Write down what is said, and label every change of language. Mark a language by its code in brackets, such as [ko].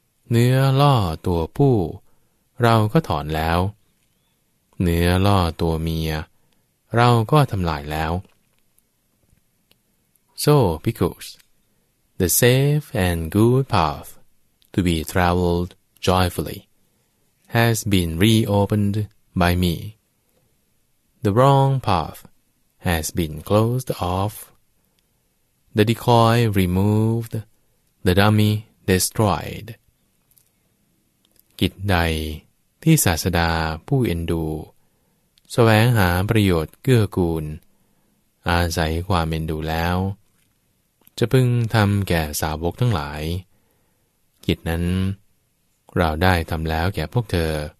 [th] เนื้อล่อตัวผู้เราก็ถอนแล้วเนื้อล่อตัวเมียเราก็ทำลายแล้ว [en] So, bhikkhus, the safe and good path to be traveled joyfully has been reopened by me. The wrong path has been closed off, the decoy removed, the dummy destroyed. [th] กิจใดที่ศาสดาผู้เอ็นดูแสวงหาประโยชน์เกื้อกูลอาศัยความเอ็นดูแล้วจะพึงทำแก่สาวกทั้งหลายกิจนั้นเราได้ทำแล้วแก่พวกเธอ